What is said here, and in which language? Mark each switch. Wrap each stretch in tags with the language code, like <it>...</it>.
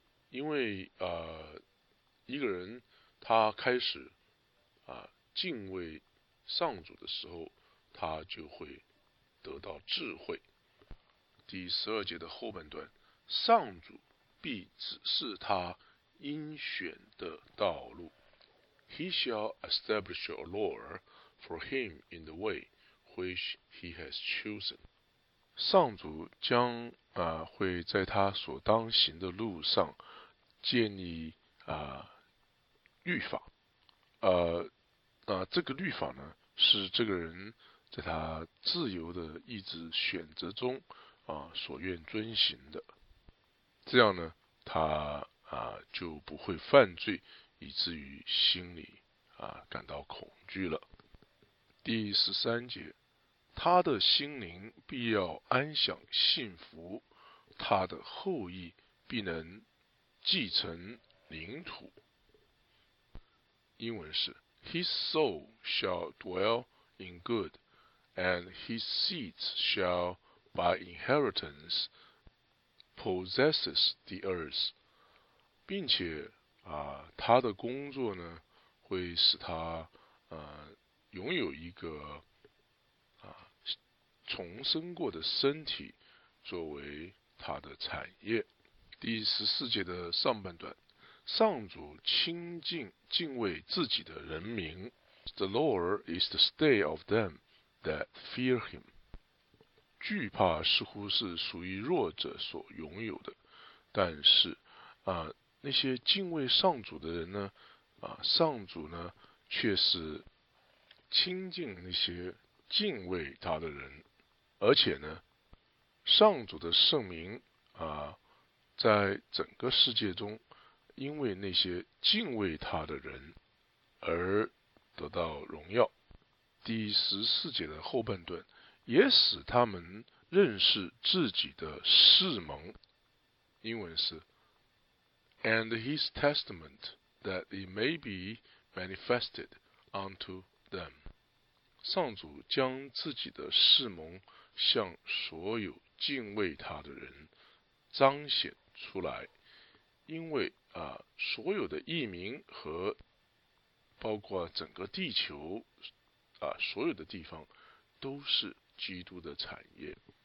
<zh>因为一个人他开始敬畏上主的时候，他就会得到智慧。第十二节的后半段，上主必指示他应选的道路。</zh> <en>He shall establish a law for him in the way which he has chosen。</en> <zh>上主将会在他所当行的路上建立律法。这个律法呢，是这个人在他自由的意志选择中所愿遵行的。这样呢，他就不会犯罪，以至于心里感到恐惧了。第十三节，他的心灵必要安享幸福，他的后裔必能继承领土。英文是</zh> <en>His soul shall dwell in good, and his seed shall by inheritance possesses the earth。</en> <zh>并且他的工作呢，会使他拥有一个重生过的身体作为他的产业。第十四节的上半段，上主亲近敬畏自己的人民。</zh> <en>The Lord is the stay of them that fear him。</en> <zh>惧怕似乎是属于弱者所拥有的，但是那些敬畏上主的人呢，上主呢却是亲近那些敬畏他的人。而且呢，上主的圣名在整个世界中因为那些敬畏他的人而得到荣耀。第十四节的后半段，也使他们认识自己的誓盟。英文是</zh> <en>And his testament that it may be manifested unto them。</en> <zh>上主将自己的誓盟向所有敬畏他的人彰显出来，因为所有的义民和包括整个地球所有的地方都是基督的产业。</zh>